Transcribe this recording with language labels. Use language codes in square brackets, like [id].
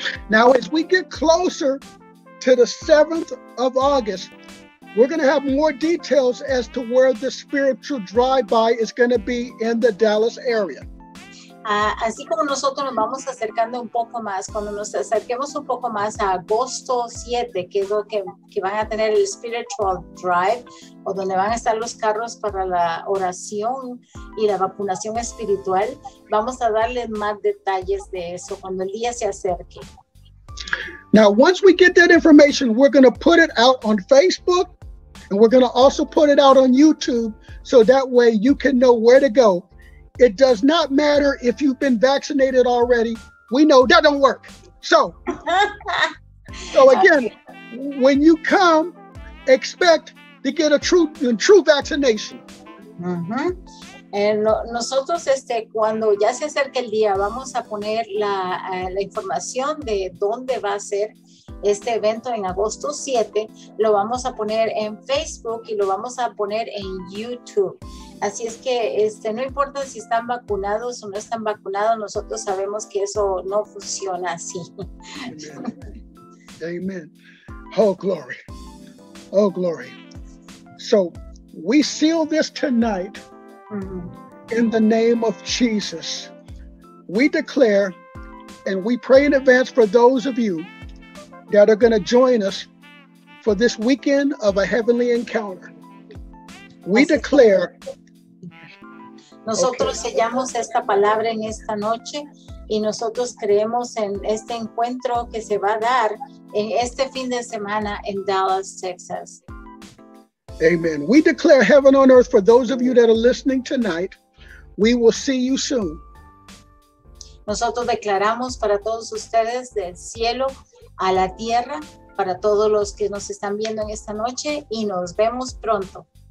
[en] Now, as we get closer to the 7th of August, we're going to have more details as to where the spiritual drive-by is going to be in the Dallas area. [es] Así como nosotros nos vamos acercando un poco más, cuando nos acerquemos un poco más a agosto 7, que es lo que van a tener el Spiritual Drive, o donde van a estar los carros para la oración y la vacunación espiritual, vamos a darle más detalles de eso cuando el día se acerque. [en] Now, once we get that information, we're going to put it out on Facebook, and we're going to also put it out on YouTube, so that way you can know where to go. It does not matter if you've been vaccinated already. We know that don't work. So again, when you come, expect to get a true vaccination. [es] Nosotros, cuando ya se acerca el día, vamos a poner la información de dónde va a ser este evento en agosto 7. Lo vamos a poner en Facebook y lo vamos a poner en YouTube. Así es que no importa si están vacunados o no están vacunados, nosotros sabemos que eso no funciona así. [en] Amen. Oh, glory. Oh, glory. So, we seal this tonight. In the name of Jesus, we declare and we pray in advance for those of you that are going to join us for this weekend of a heavenly encounter. We declare. [es] Nosotros sellamos esta palabra en esta noche y nosotros creemos en este encuentro que se va a dar en este fin de semana en Dallas, Texas. Amen. [en] We declare heaven on earth for those of you that are listening tonight. We will see you soon. [es] Nosotros declaramos para todos ustedes del cielo a la tierra, para todos los que nos están viendo en esta noche, y nos vemos pronto.